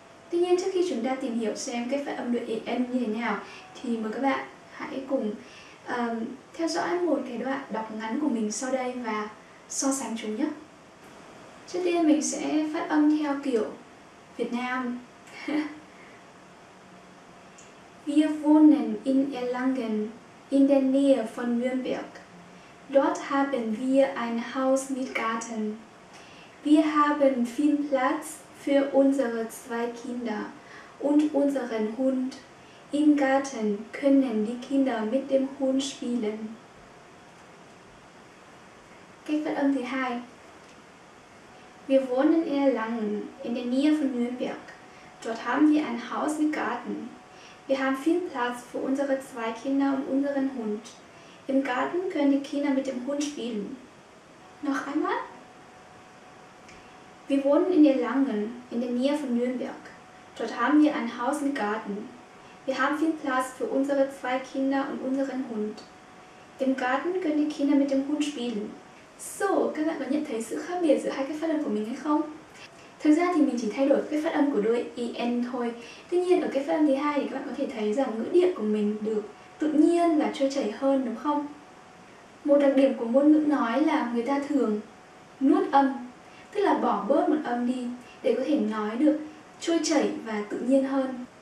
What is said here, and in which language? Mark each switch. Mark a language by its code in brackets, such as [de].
[vi] Tuy nhiên trước khi chúng ta tìm hiểu xem cái phát âm đuôi en như thế nào thì mời các bạn hãy cùng theo dõi một cái đoạn đọc ngắn của mình sau đây và so sánh chúng nhé. Trước tiên mình sẽ phát âm theo kiểu Việt Nam. [de] Wir wohnen in Erlangen in der Nähe von Nürnberg. Dort haben wir ein Haus mit Garten. Wir haben viel Platz für unsere zwei Kinder und unseren Hund. Im Garten können die Kinder mit dem Hund spielen. [vi] Cách phát âm thứ hai. [de] Wir wohnen in Erlangen, in der Nähe von Nürnberg. Dort haben wir ein Haus mit Garten. Wir haben viel Platz für unsere zwei Kinder und unseren Hund. Im Garten können die Kinder mit dem Hund spielen. Noch einmal. Wir wohnen in Erlangen, in der Nähe von Nürnberg. Dort haben wir ein Haus mit Garten. Wir haben viel Platz für unsere zwei Kinder und unseren Hund. Im Garten können die Kinder mit dem Hund spielen. [vi] So, các bạn có nhận thấy sự khác biệt giữa hai cái phát âm của mình hay không? Thực ra thì mình chỉ thay đổi cái phát âm của đuôi en thôi. Tuy nhiên ở cái phát âm thứ hai thì các bạn có thể thấy rằng ngữ điệu của mình được tự nhiên và trôi chảy hơn, đúng không? Một đặc điểm của ngôn ngữ nói là người ta thường nuốt âm, tức là bỏ bớt một âm đi để có thể nói được trôi chảy và tự nhiên hơn.